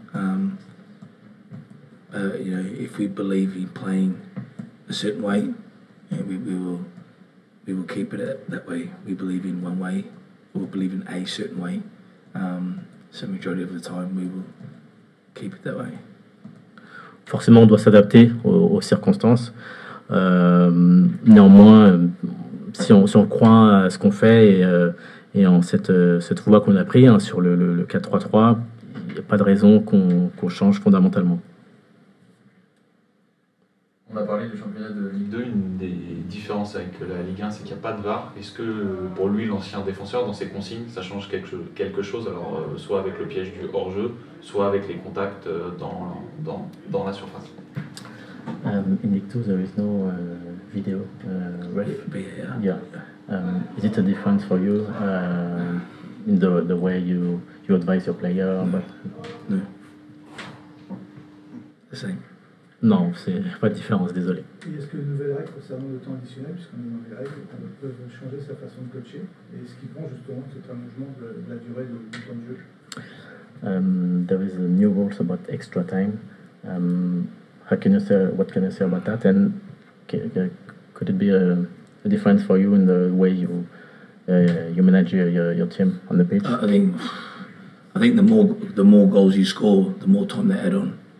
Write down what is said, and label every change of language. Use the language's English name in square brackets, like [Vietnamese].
[English] You know, if we believe in playing a certain way. Yeah, we will keep it that way. We believe in one way, we'll believe in a certain way. So majority of the time, we will keep it that way. [French] Forcément, on doit s'adapter aux circonstances. Néanmoins, si on croit à ce qu'on fait et en cette voie qu'on a prise hein, sur le 4-3-3, il n'y a pas de raison qu'on change fondamentalement. On a parlé du championnat de Ligue 2, une des différences avec la Ligue 1, c'est qu'il n'y a pas de VAR. Est-ce que pour lui, l'ancien défenseur, dans ses consignes, ça change quelque chose? Alors, soit avec le piège du hors-jeu, soit avec les contacts dans la surface. [English] In Ligue 2, there is no video ref. Yeah. Is it a difference for you in the way you advise your player? No. But... No. The same. [French] Non, c'est pas de différence, désolé. Et est-ce que les nouvelles règles concernant le temps additionnel, puisqu'on est dans les règles, peuvent changer sa façon de coacher? Et est-ce qu'il prend justement cet allongement de la durée du temps de jeu? [English] There is a new rules about extra time. How can you say, what can you say about that? And could it be a difference for you in the way you manage your team on the pitch? I think the more goals you score, the more time they add on.